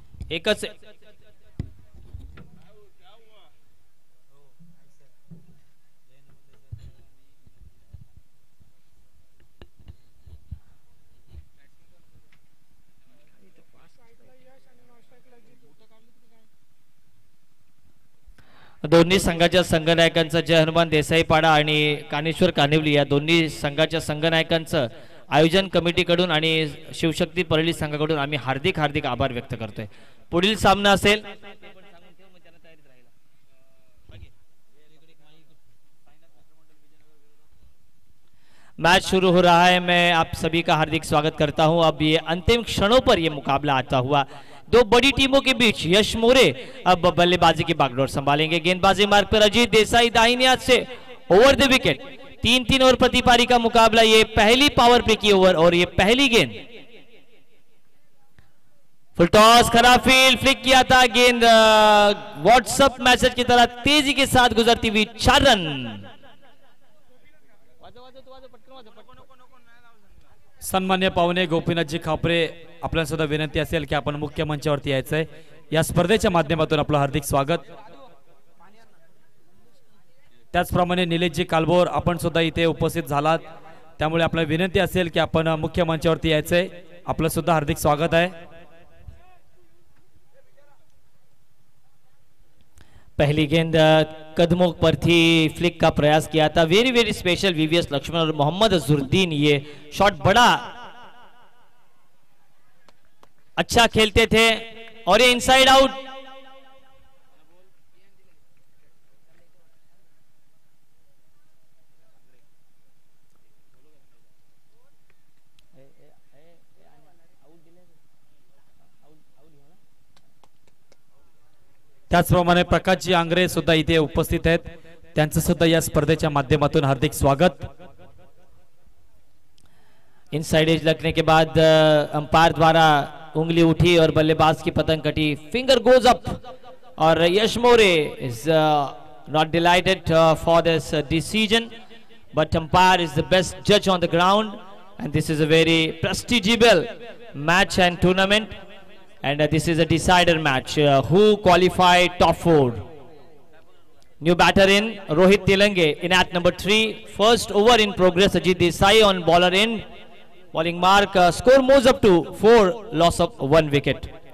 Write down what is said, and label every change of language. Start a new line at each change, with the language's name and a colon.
Marathi: एकच दोन्ही संघाच्या संघनायकांचं, जय हनुमान देसाई पाडा आणि कानेश्वर कानिवली या दोन्ही संघाच्या संघनायकांचं आयोजन कमिटीकडून आणि शिवशक्ती परळी संघाकडून आम्ही हार्दिक आभार व्यक्त करतोय. पुढील सामना असेल
Hindi: मॅच सुरू हो रहा है. मैं आप सभी का हार्दिक स्वागत करता हूं. अब ये अंतिम क्षणों पर ये मुकाबला आता हुआ दो बड़ी टीमों के बीच. यश मोरे अब बल्लेबाजी की बागडोर संभालेंगे. गेंदबाजी मार्ग पर अजीत देसाई दाहिने हाथ से ओवर द विकेट. तीन तीन ओवर प्रति पारी का मुकाबला. ये पहली पावर प्ले की ओवर और ये पहली गेंद. फुल टॉस, खराब फील, फ्लिक किया था. गेंद व्हाट्सएप मैसेज की तरह तेजी के साथ गुजरती हुई चार रन.
Marathi: सन्मान्य पाहुणे गोपीनाथजी खापरे, आपल्याला सुद्धा विनंती असेल की आपण मुख्य मंचावरती यायचंय. या स्पर्धेच्या माध्यमातून आपलं हार्दिक स्वागत. त्याचप्रमाणे निलेशजी कालबोर, आपण सुद्धा इथे उपस्थित झालात, त्यामुळे आपल्याला विनंती असेल की आपण मुख्य मंचावरती यायचंय. आपलं सुद्धा हार्दिक स्वागत आहे.
Hindi: पहली गेंद कदमों पर थी, फ्लिक का प्रयास किया था. Very very special VVS Lakshman और मोहम्मद अजुरुद्दीन. ये शॉट बड़ा अच्छा खेलते थे और ये इनसाइड आउट.
Marathi: त्याचप्रमाणे प्रकाशजी आंग्रे सुद्धा इथे उपस्थित आहेत, त्यांचं सुद्धा या स्पर्धेच्या माध्यमातून हार्दिक स्वागत.
Hindi: इनसाइड एज लगने के बाद अंपायर द्वारा उंगली उठी और बल्लेबाज की पतंग कटी.
English: Finger goes up और यश मोरे is not dilated for this decision, but umpire is the best जज on the ground and this is a very प्रेस्टिजिबल match and tournament. And this is a decider match. Who qualify top four? New batter in, Rohit Tilange in at number 3. First over in progress, Ajit Desai on baller end. Bowling mark, score moves up to 4, loss of 1 wicket.